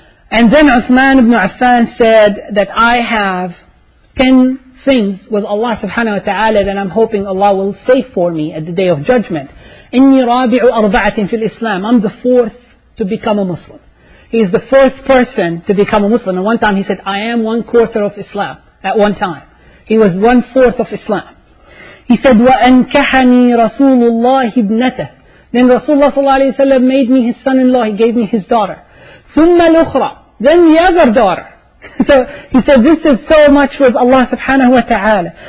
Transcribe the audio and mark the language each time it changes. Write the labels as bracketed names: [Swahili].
[English] And then Uthman ibn Affan said that I have 10 things with Allah subhanahu wa ta'ala that I'm hoping Allah will save for me at the Day of Judgment. [Arabic] إِنِّي رَابِعُ أَرْبَعَةٍ فِي الْإِسْلَامِ. [English] I'm the fourth to become a Muslim. He is the fourth person to become a Muslim. And one time he said, I am one quarter of Islam at one time. He was one fourth of Islam. He said, [Arabic] وَأَنْكَحَنِي رَسُولُ اللَّهِ ابْنَتَهِ. [English] Then Rasulullah sallallahu alayhi wa sallam made me his son-in-law, he gave me his daughter. [Arabic] ثُمَّ الْأُخْرَى. [English] Then the other daughter. So he said, this is so much with Allah subhanahu wa ta'ala.